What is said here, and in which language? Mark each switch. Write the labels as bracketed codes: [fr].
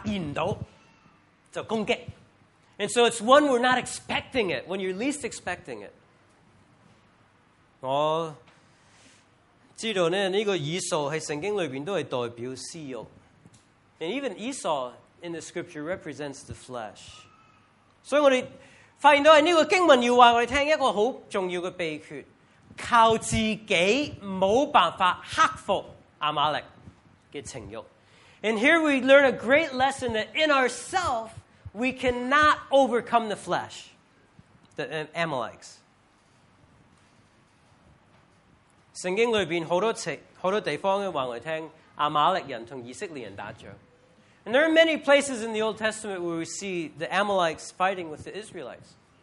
[zh] 其实是当我们发现不到就攻击. [en] And so it's when we're not expecting it, when you're least expecting it. [zh] 我知道这个以扫在圣经里面都是代表私欲. [en] And even Esau in the scripture represents the flesh. [zh] 所以我们发现到这个经文要告诉我们一个很重要的秘诀,靠自己没办法克服阿玛力的情欲. [en] And here we learn a great lesson that in ourselves we cannot overcome the flesh, the Amalekites. [zh] 圣经里面很多地方告诉我们阿玛力人和以色列人打仗. [en] And there are many places in the Old Testament where we see the Amalekites fighting with the Israelites.